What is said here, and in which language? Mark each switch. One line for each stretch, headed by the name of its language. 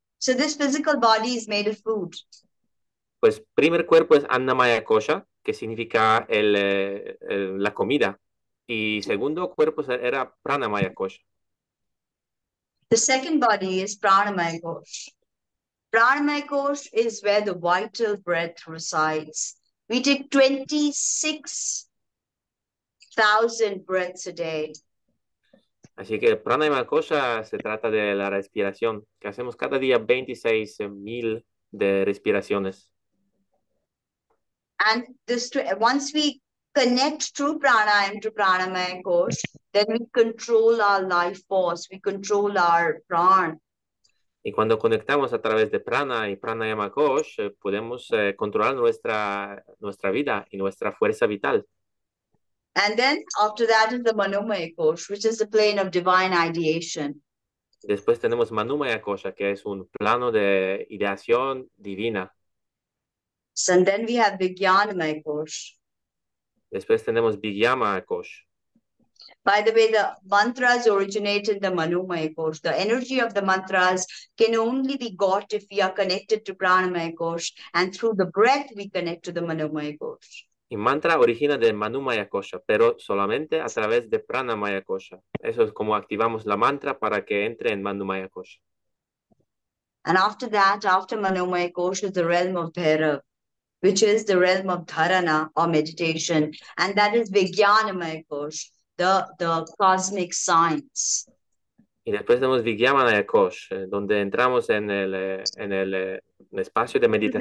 English: So, this physical body is made of food.
Spanish: Pues, primer cuerpo es annamaya kosha, que significa la comida. Y segundo cuerpo era pranamaya kosha.
English: The second body is pranamaya kosha. Pranamaya kosha is where the vital breath resides. We take 26,000 breaths a day.
Spanish: Así que pranamaya kosha se trata de la respiración, que hacemos cada día 26,000 de respiraciones.
English: And this, once we connect through pranayama to pranamaya kosha, then we control our life force, we control our prana.
Spanish: Y cuando conectamos a través de prana y pranayama kosha, podemos controlar nuestra vida y nuestra fuerza vital.
English: And then after that is the manomaya kosha, which is the plane of divine ideation.
Spanish: Después tenemos manomaya kosha, que es un plano de ideación divina.
English: So, and then we have vijnanamaya kosha.
Spanish: Después tenemos vijnanamaya kosha.
English: By the way, the mantras originate in the manomaya kosha. The energy of the mantras can only be got if we are connected to pranamaya kosha, and through the breath we connect to the manomaya kosha.
Spanish: Y mantra origina de manomaya kosha, pero solamente a través de pranamaya kosha. Eso es como activamos la mantra para que entre en manomaya kosha.
English: And after that, after manomaya kosha is the realm of Bhairava, which is the realm of dharana or meditation, and that is vijnanamaya kosha, the cosmic science.
Spanish: Y después tenemos vijnanamaya kosha, donde entramos en el espacio de meditación.